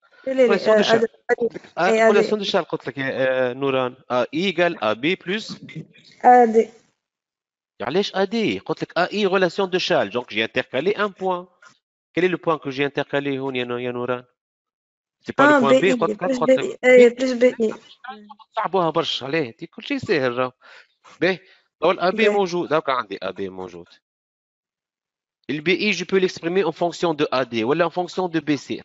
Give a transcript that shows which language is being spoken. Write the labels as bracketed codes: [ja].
[fr] Relation de Charles, [ar] قلت لك يا نوران [fr] A égale AB plus AD. [ar] علاش [fr] AD؟ [ar] قلت لك [fr] AI relation de Charles. Donc j'ai intercalé un point. Quel est le point que j'ai intercalé, [ar] هون يا نوران؟ [fr] C'est pas le point B, [ar] قلت لك [fr] plus BI. [ar] صعبوها برشا عليه، كل شيء ساهل راهو. باهي، دول AB موجود، دوكا عندي AB موجود. [fr] Le BI, je peux l'exprimer en fonction de AD ou en fonction de BC.